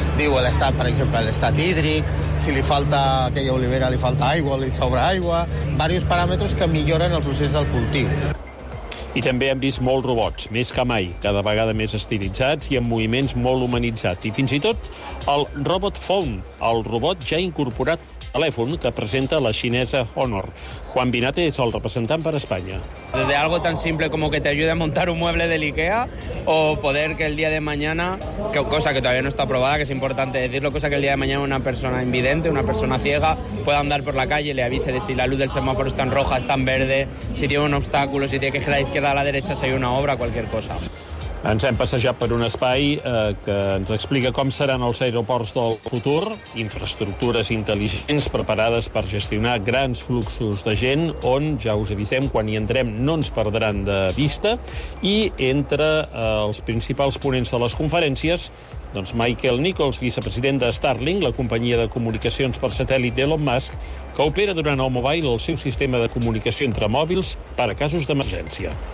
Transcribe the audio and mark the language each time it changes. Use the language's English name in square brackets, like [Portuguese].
[Catalan] Diu l'estat, per exemple, l'estat hídric, si li falta aquella olivera, li falta aigua, li sobra aigua, diversos paràmetres que milloren el procés del cultiu. I també hem vist molts robots, més que mai, cada vegada més estilitzats i amb moviments molt humanitzats. I fins i tot el Robot Phone, el robot ja incorporat telèfon que presenta la xinesa Honor. Juan Binate és el representant per Espanya. [Spanish] Desde algo tan simple como que te ayude a montar un mueble de IKEA o poder que el día de mañana, que cosa que todavía no está aprobada, que es importante decirlo, cosa que el día de mañana una persona invidente, una persona ciega, pueda andar por la calle y le avise de si la luz del semáforo está en roja, está en verde, si tiene un obstáculo, si tiene que girar a la izquierda o a la derecha, si hay una obra, cualquier cosa. [Catalan] Ens hem passejat per un espai que ens explica com seran els aeroports del futur, infraestructures intel·ligents preparades per gestionar grans fluxos de gent, on, ja us avisem, quan hi entrem no ens perdran de vista, i entre els principals ponents de les conferències, doncs Michael Nichols, vicepresident de Starlink, la companyia de comunicacions per satèl·lit d'Elon Musk, que opera durant el Mobile el seu sistema de comunicació entre mòbils per a casos d'emergència.